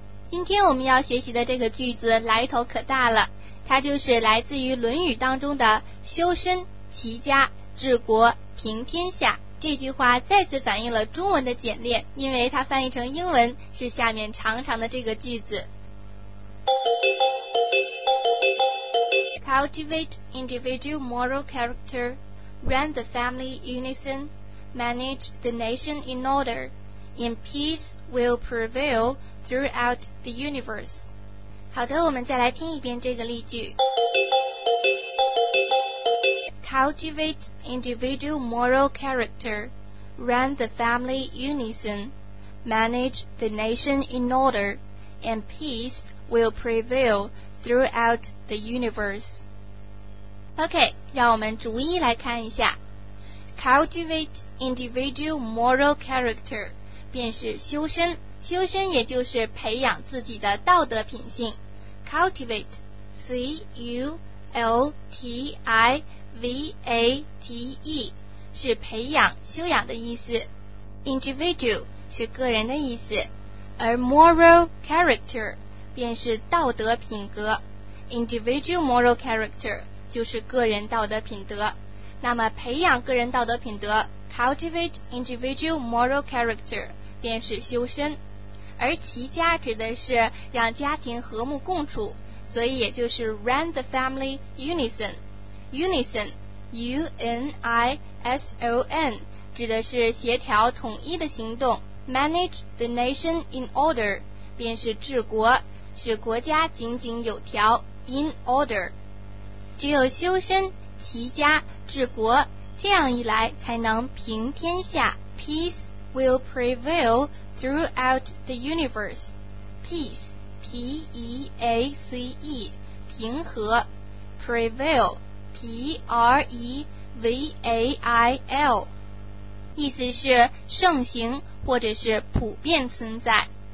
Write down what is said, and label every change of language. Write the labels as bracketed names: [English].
[Chinese] 今天我们要学习的这个句子来头可大了，它就是来自于《论语》当中的修身、齐家、治国、平天下。这句话再次反映了中文的简练，因为它翻译成英文是下面长长的这个句子。 [English] Cultivate individual moral character, run the family unison, manage the nation in order, in peace will prevail throughout the universe. [Chinese] 好的，我们再来听一遍这个例句。 [English] Cultivate individual moral character, run the family unison, manage the nation in order, and peace will prevail throughout the universe. [Chinese] OK, 让我们逐一来看一下。 [English] Cultivate individual moral character, [Chinese] 便是修身。修身也就是培养自己的道德品性。 [English] Cultivate, C-U-L-T-I-V-A-T-E, [Chinese] 是培养、修养的意思。 Individual, 是个人的意思。而 moral character, 便是道德品格。 [English] Individual moral character, [Chinese] 就是个人道德品德。那么培养个人道德品德 [English] Cultivate individual moral character [Chinese] 便是修身。而齐家指的是让家庭和睦共处，所以也就是 [English] run the family unison。 Unison [Chinese] U-N-I-S-O-N 指的是协调统一的行动。 [English] Manage the nation in order [Chinese] 便是治国，使国家井井有条。 [English] In order, [Chinese] 只有修身、齐家、治国，这样一来才能平天下。 [English] Peace will prevail throughout the universe. Peace, P-E-A-C-E, 平和。 Prevail, [Chinese] P-R-E-V-A-I-L, 意思是盛行或者是普遍存在。